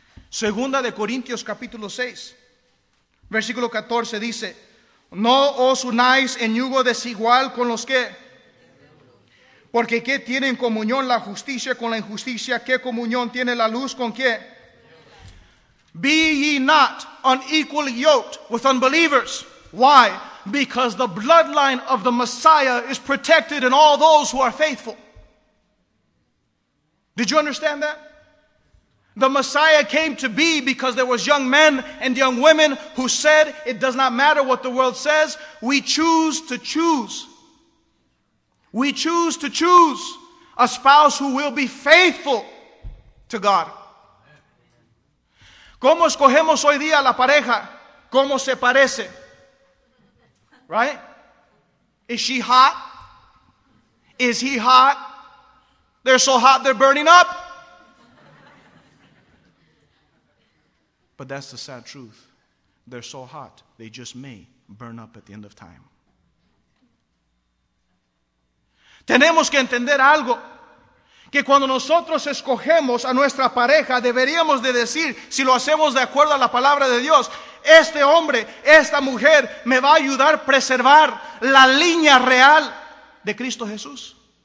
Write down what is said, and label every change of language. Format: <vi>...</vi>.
<es>Segunda de Corintios capítulo 6, versículo 14 dice: No os unáis en yugo desigual con los que, porque qué tienen comunión la justicia con la injusticia, qué comunión tiene la luz con qué.</es> <en>Be ye not unequally yoked with unbelievers. Why? Because the bloodline of the Messiah is protected in all those who are faithful. Did you understand that? The Messiah came to be because there was young men and young women who said, it does not matter what the world says, we choose to choose. We choose to choose a spouse who will be faithful to God.</en> <es>¿Cómo escogemos hoy día la pareja? ¿Cómo se parece?</es> <en>Right? Is she hot? Is he hot? They're so hot they're burning up. But that's the sad truth. They're so hot, they just may burn up at the end of time.</en> <es>Tenemos que entender algo. Que cuando nosotros escogemos a nuestra pareja, deberíamos de decir, si lo hacemos de acuerdo a la palabra de Dios, este hombre, esta mujer, me va a ayudar a preservar la línea real de Cristo Jesús.</es>